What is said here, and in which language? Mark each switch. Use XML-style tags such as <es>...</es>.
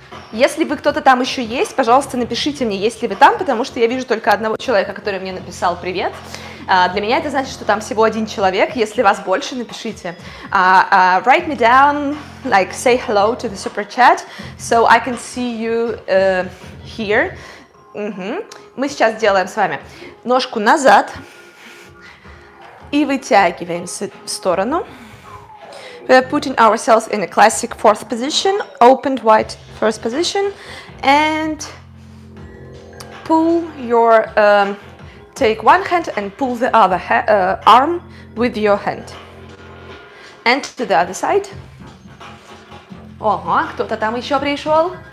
<ru>Если вы кто-то там еще есть, пожалуйста, напишите мне, есть ли вы там, потому что я вижу только одного человека, который мне написал привет. Для меня это значит, что там всего один человек. Если вас больше, напишите.</ru> <en>Write me down, like say hello to the super chat, so I can see you here. Mm-hmm.</en> <ru>Мы сейчас делаем с вами ножку назад и вытягиваемся в сторону.</ru> <en>We are putting ourselves in a classic fourth position, opened wide first position, and pull your take one hand and pull the other arm with your hand. And to the other side.</en> <ru>Ого, кто-то там еще пришел.</ru>